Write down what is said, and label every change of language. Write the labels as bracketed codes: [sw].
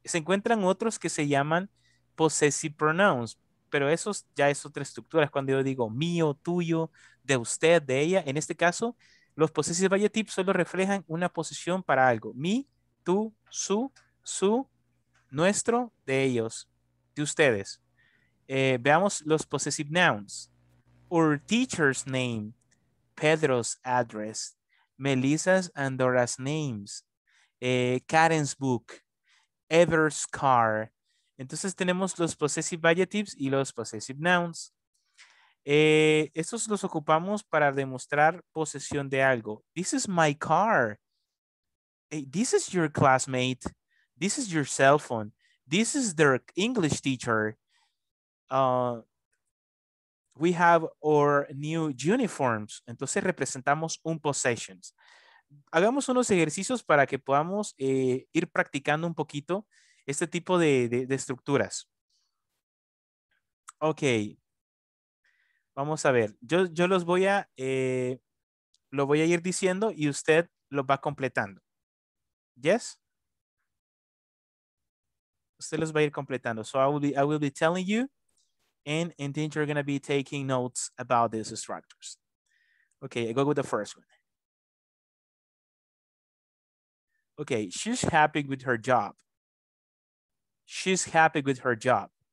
[es] Se encuentran otros que se llaman possessive pronouns, pero esos ya es otra estructura. Es cuando yo digo mío, tuyo, de usted, de ella. En este caso, los possessive adjectives solo reflejan una posición para algo. Mi, tú, su, su, nuestro, de ellos, de ustedes. Veamos los possessive nouns. [en] Our teacher's name, Pedro's address, Melissa's and Dora's names, Karen's book, Ever's car. [es] Entonces tenemos los possessive adjectives y los possessive nouns. Estos los ocupamos para demostrar posesión de algo. [en] This is my car. Hey, this is your classmate. This is your cell phone. This is their English teacher. We have our new uniforms. [es] Entonces representamos un [en] possessions. [es] Hagamos unos ejercicios para que podamos ir practicando un poquito este tipo de estructuras. Ok. Vamos a ver. Yo los voy a lo voy a ir diciendo y usted lo va completando. [en] ¿Yes? [es] Usted los va a ir completando. [en] So I will be telling you and then you're going to be taking notes about these structures. Ok, I go with the first one. Okay, she's happy with her job. She's happy with her job.